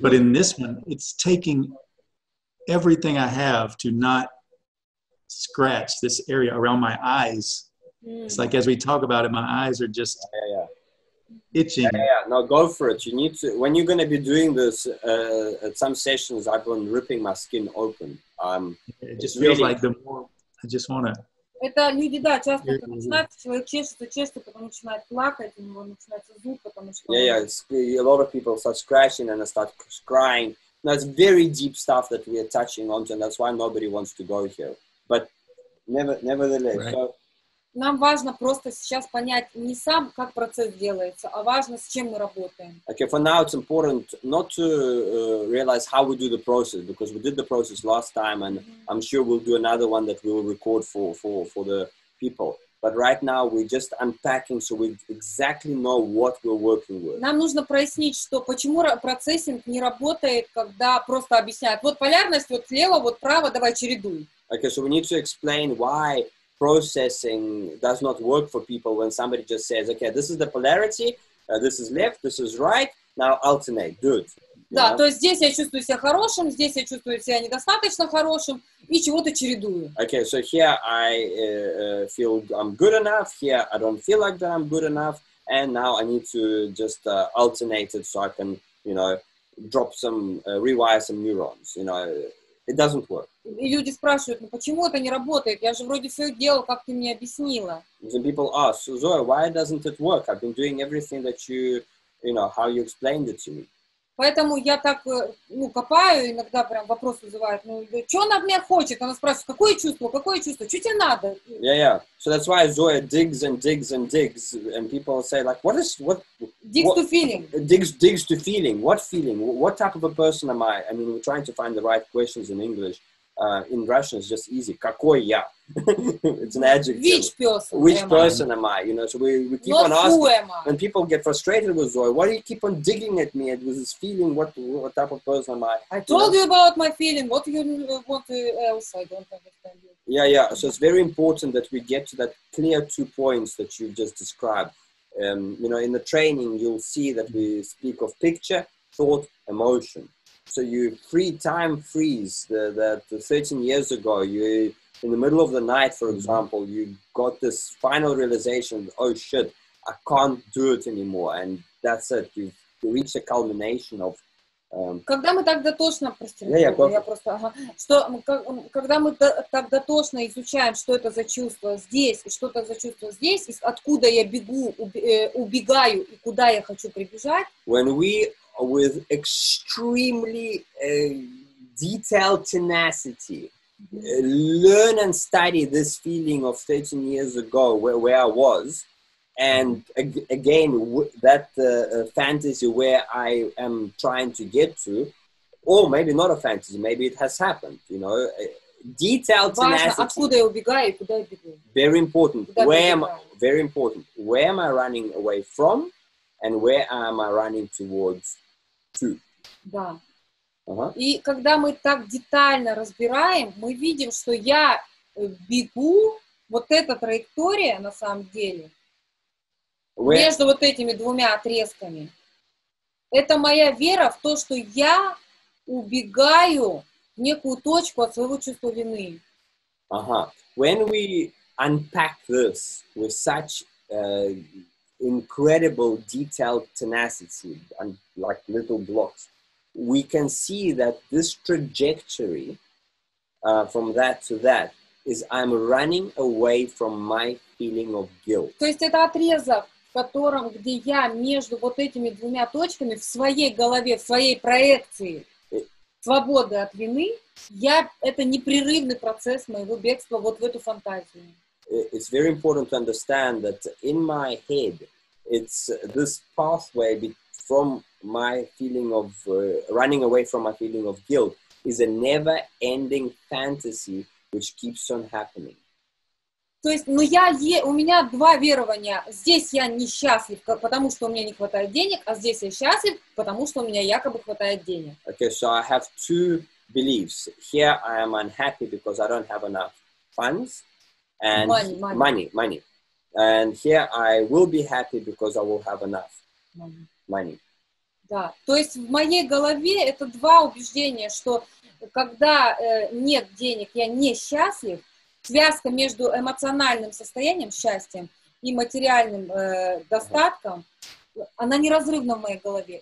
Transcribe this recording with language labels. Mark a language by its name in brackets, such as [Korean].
[English] But in this one, it's taking everything I have to not scratch this area around my eyes. Mm. It's like, as we talk about it, my eyes are just... itching. Now go for it. You need to, when you're going to be doing this, at some sessions, I've been ripping my skin open. It just feels like the more, I just want to. [Russian] Это люди, да, часто это начинают, человек чешется, потом начинает плакать, у него начинается зуб, потому что... [English] A lot of people start scratching and they start crying. That's very deep stuff that we are touching onto, and that's why nobody wants to go here. But nevertheless, right. [Russian] Нам важно просто сейчас понять не сам, как процесс делается, а важно, с чем мы работаем. [English] Okay, for now it's important not to realize how we do the process, because we did the process last time, and mm-hmm. I'm sure we'll do another one that we will record for the people. But right now we're just unpacking, so we exactly know what we're working with. [Russian] Нам нужно прояснить, что почему процессинг не работает, когда просто объясняют, вот полярность, вот слева, вот право, давай чередуй. [English] Okay, so we need to explain why processing does not work for people when somebody just says, okay, this is the polarity, this is left, this is right, now alternate, do it. [Russian] Да, то есть здесь я чувствую себя хорошим, здесь я чувствую себя недостаточно хорошим, и чего-то чередую. [English] Okay, so here I feel I'm good enough, here I don't feel like that I'm good enough, and now I need to just alternate it so I can, you know, drop some, rewire some neurons, you know. It doesn't work. [Russian] Люди спрашивают, ну почему это не работает? Я же вроде все делал, как ты мне объяснила. [English] Some people ask, Zoe, why doesn't it work? I've been doing everything that you, you know, how you explained it to me. [Russian] Поэтому я так, ну, копаю, иногда прям вопрос вызывает, ну, что она от меня хочет? Она спрашивает, какое чувство, что тебе надо? [English] Yeah. So that's why Zoe digs, and people say, like, what? Digs to feeling. What feeling? What type of a person am I? I mean, we're trying to find the right questions in English. In Russian, it's just easy. [Russian] Какой я? [English] It's an adjective. Which person am I? You know, so we keep on asking. When people get frustrated with Zoe, why do you keep on digging at me with this feeling? What type of person am I? I told you about my feeling. What do you want else? I don't understand you. Yeah. So it's very important that we get to that clear two points that you've just described. You know, in the training, you'll see that we speak of picture, thought, emotion. So you free time freeze the 13 years ago, you in the middle of the night, for example, you got this final realization, oh shit, I can't do it anymore. And that's it. You reach a culmination of [Russian] Когда мы так дотошно, когда мы так дотошно изучаем, что это за чувство здесь, и что это за чувство здесь, и откуда я бегу, убегаю и куда я хочу прибежать. [English] When we with extremely detailed tenacity learn and study this feeling of 13 years ago where I was, and again that fantasy where I am trying to get to, or maybe not a fantasy, maybe it has happened, you know, detailed tenacity, very important where am I running away from and where am I running towards. [Russian] Да. И когда мы так детально разбираем, мы видим, что я бегу, вот эта траектория на самом деле, между вот этими двумя отрезками, это моя вера в то, что я убегаю к некую точку от своего чувства вины. [English] When we unpack this with such incredible detailed tenacity and like little blocks, we can see that this trajectory from that to that is I'm running away from my feeling of guilt. [Russian] То есть это отрезок, в котором, где я между вот этими двумя точками в своей голове, в своей проекции свободы от вины, я, это непрерывный процесс моего бегства вот в эту фантазию. [English] It's very important to understand that in my head, it's this pathway from my feeling of running away from my feeling of guilt is a never-ending fantasy which keeps on happening. [Russian] То есть, ну я, у меня два верования. Здесь я несчастлив, потому что у меня не хватает денег, а здесь я счастлив, потому что у меня якобы хватает денег. [English] Okay, so I have two beliefs. Here I am unhappy because I don't have enough funds. And money. And here I will be happy because I will have enough money. [Russian] Да, то есть в моей голове это два убеждения, что когда нет денег, я не счастлив. Связка между эмоциональным состоянием, счастьем, и материальным достатком, она неразрывна в моей голове.